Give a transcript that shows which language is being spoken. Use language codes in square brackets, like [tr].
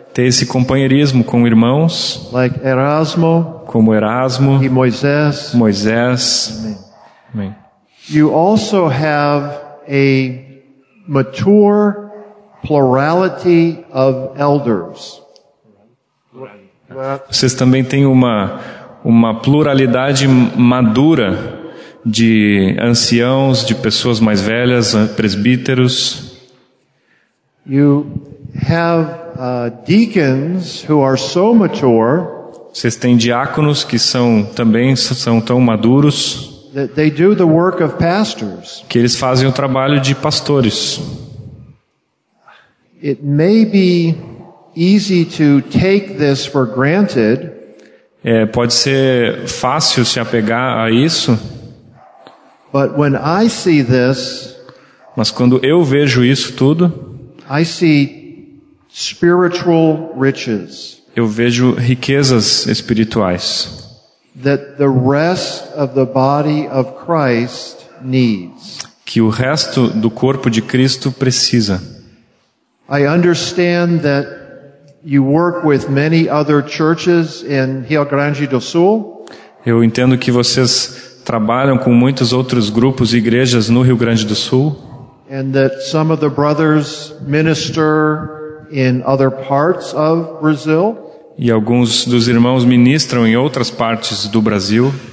[pt] ter esse companheirismo com irmãos [en] like Erasmo, [pt] como Erasmo e Moisés. Moisés. Amém. [en] You also have a mature plurality of elders. [pt] Vocês também têm uma pluralidade madura de anciãos, de pessoas mais velhas, presbíteros. [en] You have deacons who are so mature. [pt] Vocês têm diáconos que são também tão maduros. [en] That they do the work of pastors. [pt] Que eles fazem o trabalho de pastores. [en] It may be easy to take this for granted. [pt] Pode ser fácil se apegar a isso. [en] But when I see this, [pt] mas quando eu vejo isso tudo, [en] I see spiritual riches. [pt] Eu vejo riquezas espirituais. [en] That the rest of the body of Christ needs. [pt] Que o resto do corpo de Cristo precisa. [en] I understand that you work with many other churches in Rio Grande do Sul. [pt] Eu entendo que vocês trabalham com muitos outros grupos e igrejas no Rio Grande do Sul. [en] And that some of the brothers minister in other parts of Brazil. [pt] E alguns dos irmãos ministram em outras partes do Brasil.